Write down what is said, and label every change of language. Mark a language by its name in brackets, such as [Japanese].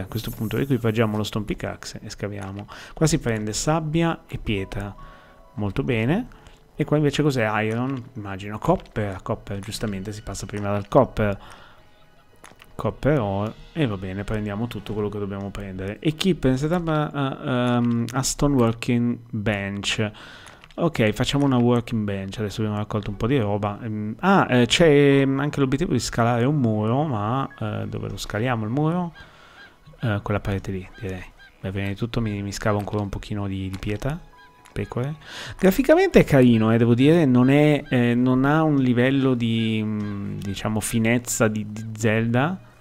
[Italian] A questo punto equipaggiamo lo stone pickaxe e scaviamo. Qua si prende sabbia e pietra. Molto bene. E qua invece cos'è? Iron, immagino. Copper, copper, giustamente si passa prima dal copper. Copper ore. E va bene, prendiamo tutto quello che dobbiamo prendere. [English] Equip and set up a stone working bench. [Italian] Ok, facciamo una working bench. Adesso abbiamo raccolto un po' di roba. C'è anche l'obiettivo di scalare un muro, ma dove lo scaliamo il muro? Quella parete lì, direi. Beh, prima di tutto mi scavo ancora un pochino di pietra. Pecore. Graficamente è carino, devo dire. Non ha un livello di, diciamo, finezza di Zelda.